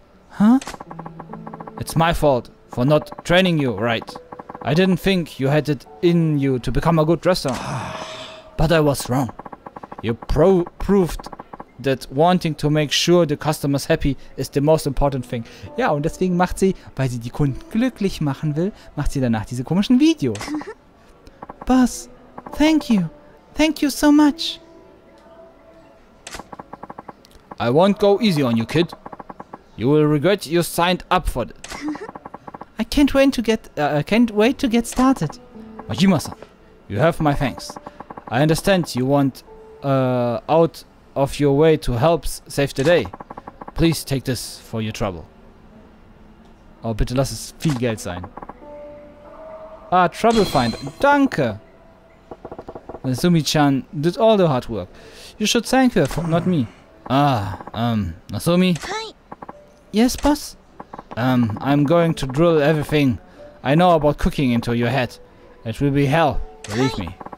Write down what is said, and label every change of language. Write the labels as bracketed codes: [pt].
[en] Huh? It's my fault for not training you right. I didn't think you had it in you to become a good restaurant. But I was wrong. You proved that wanting to make sure the customer's happy is the most important thing. [de] Ja, und deswegen macht sie, weil sie die Kunden glücklich machen will, macht sie danach diese komischen Videos. [en] Boss, thank you. Thank you so much. I won't go easy on you, kid. You will regret you signed up for it. I can't wait to get started. Majima-san, you have my thanks. I understand you want out of your way to help save the day. Please take this for your trouble. [de] Oh, bitte lass es viel Geld sein. [en] Ah, trouble find. [de] Danke. [en] Nasumi-chan did all the hard work. You should thank her, not me. Ah, Nasumi. Hi. Yes, boss? I'm going to drill everything I know about cooking into your head. It will be hell, believe me.